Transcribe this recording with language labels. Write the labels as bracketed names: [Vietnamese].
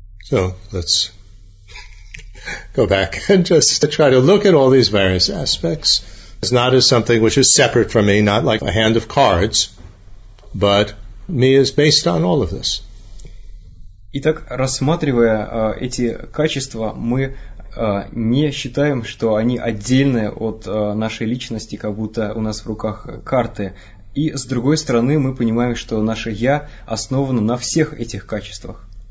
[English] So, let's... go back and just try to look at all these various aspects. It's not as something which is separate from me, not like a hand of cards, but me is based on all of this. [Russian] Итак, рассматривая эти качества, мы не считаем, что они отдельны от нашей личности, как будто у нас в руках карты. И с другой стороны, мы понимаем, что наше «я» основано на всех этих качествах.